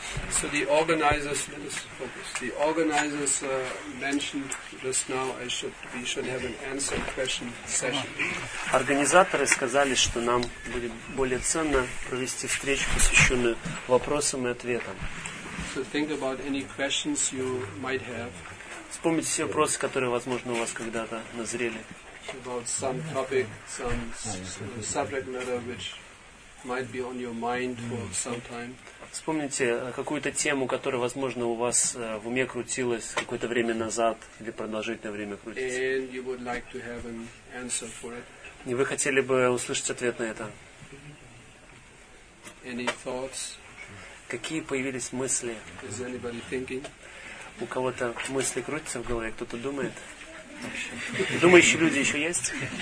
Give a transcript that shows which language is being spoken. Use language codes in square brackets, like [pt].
[en] So the organizers, let us focus. The organizers mentioned just now. We should have an answer question session. [ru] Организаторы сказали, что нам будет более ценно провести встречу, посвященную вопросам и ответам. [en] So think about any questions you might have. [ru] Вспомните все вопросы, которые, возможно, у вас когда-то назрели. [en] About some topic, some subject matter which might be on your mind for some time. [ru] Вспомните какую-то тему, которая, возможно, у вас в уме крутилась какое-то время назад или продолжительное время крутится. [en] And you would like to have an answer for it. [ru] И вы хотели бы услышать ответ на это. [en] Any thoughts? [ru] Какие появились мысли? [en] Is anybody thinking? [ru] У кого-то мысли крутятся в голове, кто-то думает? Думающие люди еще есть?